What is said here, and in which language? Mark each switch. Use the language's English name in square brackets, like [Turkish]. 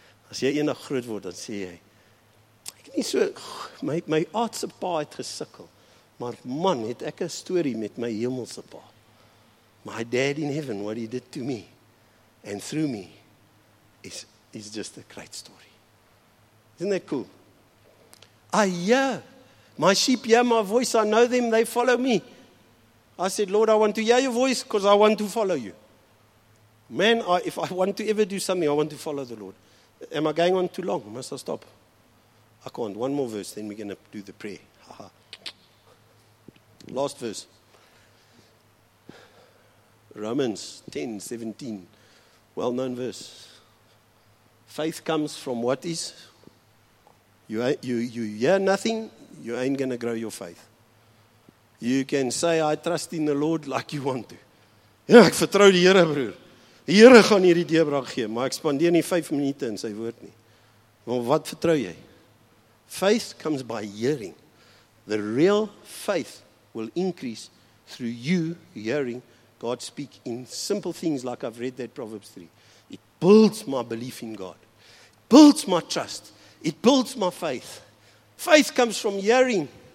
[Afrikaans] As jy eendag groot word, dan sê jy, ek nie so, my aardse pa het gesukkel, maar man, het ek 'n story met my hemelse pa. [English] My dad in heaven, what he did to me and through me is just a great story. Isn't that cool? I hear. My sheep hear my voice. I know them. They follow me. I said, Lord, I want to hear your voice because I want to follow you. Man, if I want to ever do something, I want to follow the Lord. Am I going on too long? Must I stop? I can't. One more verse, then we're going to do the prayer. Last verse. Romans 10, 17. Well-known verse. Faith comes from what is. You hear nothing, you ain't going to grow your faith. You can say, I trust in the Lord like you want to. [Afrikaans] Ja, ek vertrou die Here, broer. Die Here gaan hierdie deurbraak gee, maar ek spandeer nie 5 minute in sy woord nie. Maar wat vertrou jy? [English] Faith comes by hearing. The real faith will increase through you hearing God speak in simple things like I've read that Proverbs 3. It builds my belief in God. It builds my trust. It builds my faith. Faith comes from hearing.